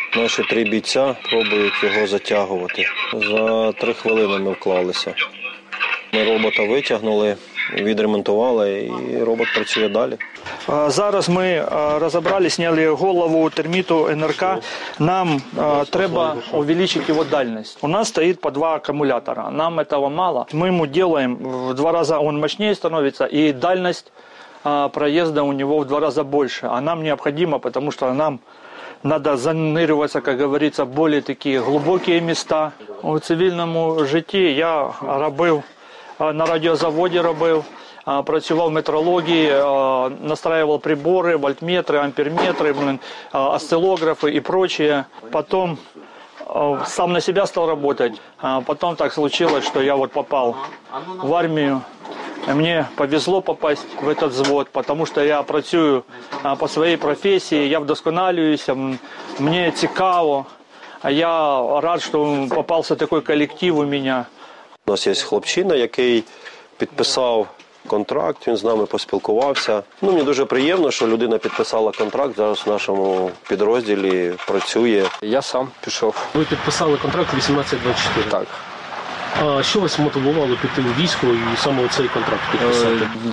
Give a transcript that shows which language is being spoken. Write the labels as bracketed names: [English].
[Ukrainian] Наші три бійця пробують його затягувати. За 3 хвилини ми вклалися. Ми робота витягнули, відремонтували, і робот працює далі. Зараз ми розібрали, зняли голову терміту НРК. Нам треба увеличити його дальність. У нас стоїть по 2 акумулятора. Нам цього мало. Ми йому робимо в 2 рази, він мощніше становиться, [Russian] і дальність проезда у него в 2 раза больше, а нам необходимо, потому что нам надо заныриваться, как говорится, в более такие глубокие места. [Ukrainian] У цивильному житті я робив, на радіозаводі робив, працював в метрології, настраював прибори, вольтметри, амперметри, осциллографи і прочее. [Russian] Потом сам на себя стал работать. Потом так случилось, что я вот попал в армию. Мне повезло попасть в этот взвод, потому что [Ukrainian] я працюю [Russian] по своей профессии, [Ukrainian] я вдосконалююся, мне цікаво, [Russian] я рад, что попался такой коллектив у меня. [Ukrainian] У нас є хлопчина, який підписав контракт, він з нами поспілкувався. Ну, мені дуже приємно, що людина підписала контракт, зараз в нашому підрозділі працює. Я сам пішов. Ви підписали контракт 18-24? Так. А що вас мотивувало піти у військо і саме цей контракт підписати?